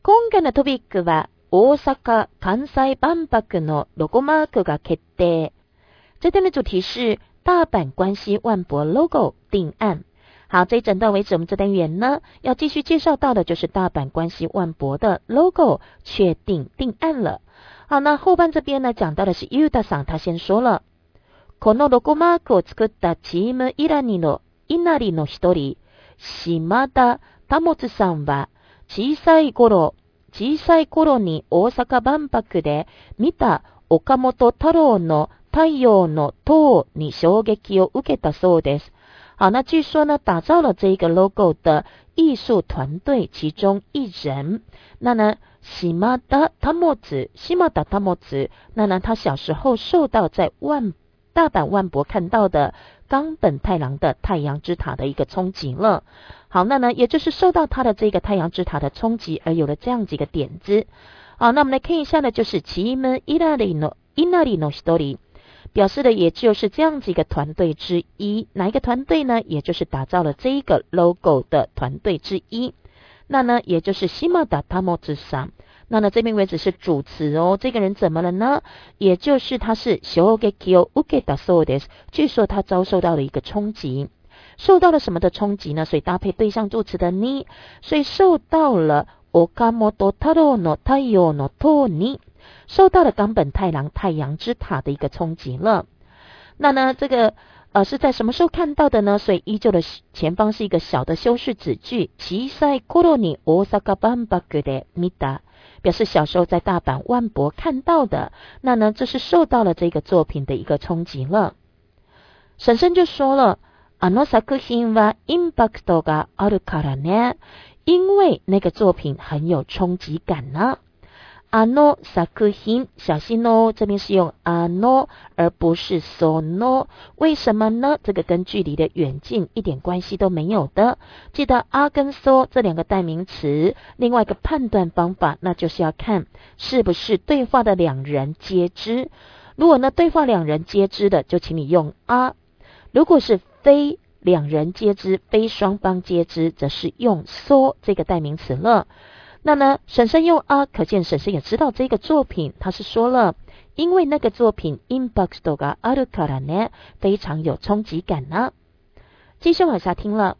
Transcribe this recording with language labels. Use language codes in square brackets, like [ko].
[ja] 下のトピックは大阪・関西万博のロゴマークが決定。 [zh] 这段的主题是大阪关西万博 logo 定案。好，这一整段为止，我们这单元呢要继续介绍到的就是大阪关西万博的 logo 确定定案了。好，那后半这边呢讲到的是 Yuta さん，他先说了， [ja] このロゴマークを作ったチームイラニのイナリの一人島田タモツさんは小さい頃に大阪万博で見た岡本太郎の太陽の塔に衝撃を受けたそうです。 [zh] 好，那据说呢，打造了这个 logo 的艺术团队其中一人，那呢，島田タモツ，那呢，他小时候受到在大阪万博看到的冈本太郎的太阳之塔的一个冲击了。好，那呢，也就是受到他的这个太阳之塔的冲击而有了这样几个点子。好，那我们来看一下呢，就是 [ja] チームイナリの一人。 [zh] 表示的也就是这样子一个团队之一，哪一个团队呢？也就是打造了这一个 logo 的团队之一，那呢也就是島田タモツさん。那呢这边为止是主词哦，这个人怎么了呢？也就是他是 [ja] 衝撃を受けたそうです， [zh] 据说他遭受到了一个冲击，受到了什么的冲击呢？所以搭配对象助词的に，所以受到了 [ja] 岡本太郎の太陽の塔に， [zh] 受到了冈本太郎太阳之塔的一个冲击了。那呢这个是在什么时候看到的呢？所以依旧的前方是一个小的修饰子句， [ja] 小さい頃に大阪万博で見た， [zh] 表示小时候在大阪万博看到的。那呢这是受到了这个作品的一个冲击了。婶婶就说了， [ja] あの作品はインパクトがあるからね， [zh] 因为那个作品很有冲击感呢。あの作品，小心哦，这边是用あの而不是その，为什么呢？这个跟距离的远近一点关系都没有的。记得あ跟そ这两个代名词，另外一个判断方法，那就是要看是不是对话的两人皆知。如果呢对话两人皆知的，就请你用あ。如果是非两人皆知，非双方皆知，则是用そ这个代名词了。那呢婶婶用啊，可见婶婶也知道这个作品，她是说了因为那个作品 [ja] impact があるからね， [zh] 非常有冲击感呢。继续往下听了。